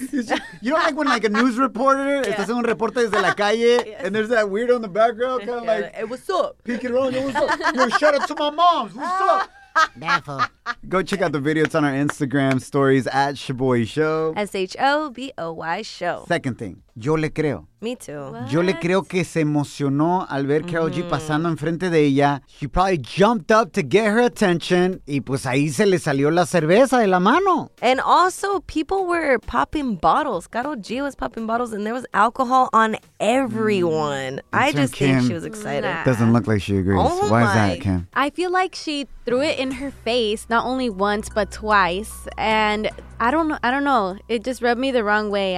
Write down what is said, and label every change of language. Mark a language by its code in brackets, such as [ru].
[en] You know, like when like a news reporter, [es] estás en un reporte desde la calle, [en] and there's that weirdo in the background, kind of like, hey, what's up? Peeking around, yo, what's up? Yo, shout out to my moms, what's up? Go check out the video. It's on our Instagram stories at Shaboy Show. S-H-O-B-O-Y Show. Second thing, [es] yo le creo. [en] Me too. What? [es] Yo le creo que se emocionó al ver Karol G pasando enfrente de ella. [en] She probably jumped up to get her attention. [es] Y pues ahí se le salió la cerveza de la mano. [en] And also, people were popping bottles. Karol G was popping bottles and there was alcohol on everyone. I just think she was excited. Nah. Doesn't look like she agrees. Oh, why is that, Kim? I feel like she threw it in her face, not only once, but twice. And I don't know. It just rubbed me the wrong way.